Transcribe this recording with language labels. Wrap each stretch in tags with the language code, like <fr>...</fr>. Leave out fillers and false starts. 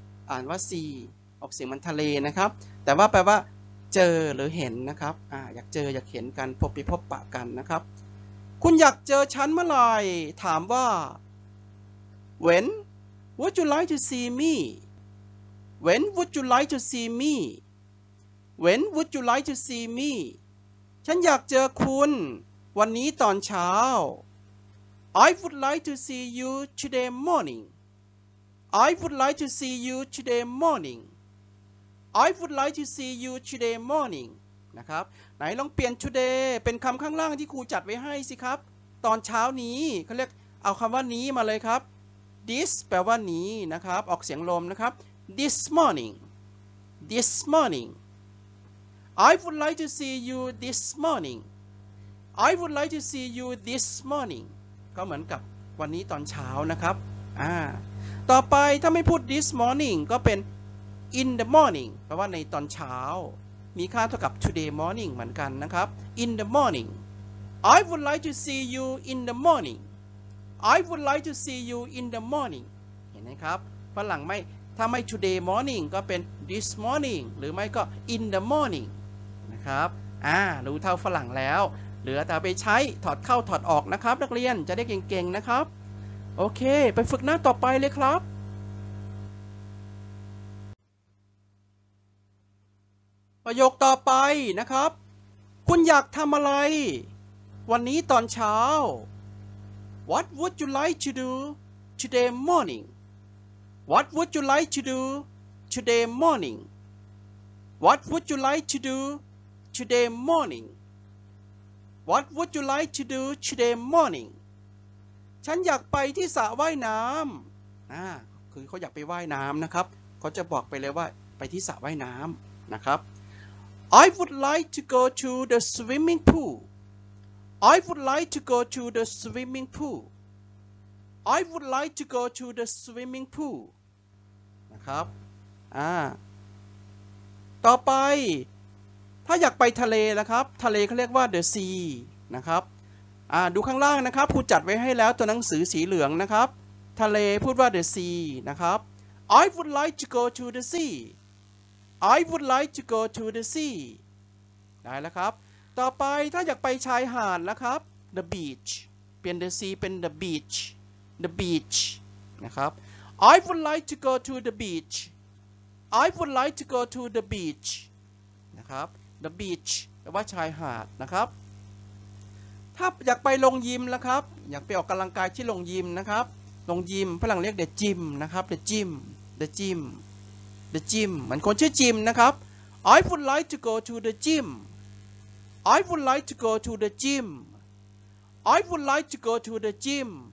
<th>อ่านว่า sea ออกเสียงเหมือนทะเลนะครับแต่ว่าแปลว่าเจอหรือเห็นนะครับอยากเจออยากเห็นกันพบปะพบปะกันนะครับคุณอยากเจอฉันเมื่อไหร่ถามว่า</th> <en>when would you like to see me when would you like to see meWhen would you like to see me?</en> <th>ฉันอยากเจอคุณวันนี้ตอนเช้า</th> <en>I would like to see you today morning. I would like to see you today morning. I would like to see you today morning.</en> <th>นะครับไหนลองเปลี่ยน today เป็นคำข้างล่างที่ครูจัดไว้ให้สิครับตอนเช้านี้เขาเรียกเอาคำว่านี้มาเลยครับ This แปลว่านี้นะครับออกเสียงลมนะครับ</th> <en>This morning. This morning. I would like to see you this morning. I would like to see you this morning.</en> <th>ก็เหมือนกับวันนี้ตอนเช้านะครับต่อไปถ้าไม่พูด this morning ก็เป็น in the morning แปลว่าในตอนเช้ามีค่าเท่ากับ today morning เหมือนกันนะครับ in the morning.</th> <en>I would like to see you in the morning. I would like to see you in the morning.</en> <th>เห็นไหมครับฝรั่งไม่ถ้าไม่ today morning ก็เป็น this morning หรือไม่ก็ in the morning นะครับรู้เท่าฝรั่งแล้วเหลือแต่ไปใช้ถอดเข้าถอดออกนะครับนักเรียนจะได้เก่งๆนะครับโอเคไปฝึกหน้าต่อไปเลยครับ ประโยคต่อไปนะครับคุณอยากทำอะไรวันนี้ตอนเช้า</th> <en>What would you like to do today morningWhat would you like to do today morning? What would you like to do today morning? What would you like to do today morning?</en> <th>ฉันอยากไปที่สระว่ายน้ำคือเขาอยากไปว่ายน้ำนะครับเขาจะบอกไปเลยว่าไปที่สระว่ายน้ำนะครับ</th> <en>I would like to go to the swimming pool. I would like to go to the swimming pool. I would like to go to the swimming pool.</en> <th>ครับต่อไปถ้าอยากไปทะเลนะครับทะเลเขาเรียกว่า the sea นะครับดูข้างล่างนะครับครูจัดไว้ให้แล้วตัวหนังสือสีเหลืองนะครับทะเลพูดว่า the sea นะครับ</th> <en>I would like to go to the sea I would like to go to the sea</en> <th>ได้แล้วครับต่อไปถ้าอยากไปชายหาดนะครับ</th> <en>the beach เปลี่ยน the sea เป็น the beach the beach นะครับI would like to go to the beach. I would like to go to the beach.</en> <th>นะครับ The beach แปลว่าชายหาดนะครับถ้าอยากไปโรงยิมนะครับอยากไปออกกำลังกายที่โรงยิมนะครับโรงยิมฝรั่งเรียก the gym นะครับ the gym the gym the gym มันคนชื่อจิมนะครับ</th> <en>I would like to go to the gym. I would like to go to the gym. I would like to go to the gym.</en>